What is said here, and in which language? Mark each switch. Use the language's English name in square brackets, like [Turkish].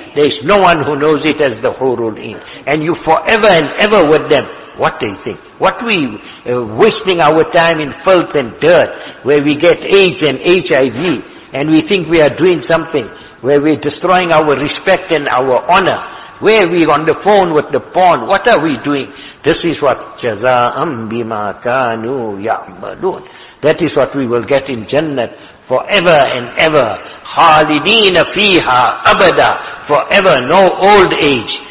[English] There is no one who knows it as the Hurul Ain. And you forever and ever with them. What do you think? What we wasting our time in filth and dirt, where we get AIDS and HIV, and we think we are doing something, where we are destroying our respect and our honor, where we on the phone with the porn, what are we doing? This is what [Arabic] جَزَاءً بِمَا كَانُوا يَعْمَلُونَ. [English] That is what we will get in Jannat forever and ever. [Arabic] خَالِدِينَ فِيهَا أَبَدًا, [English] forever, no old age.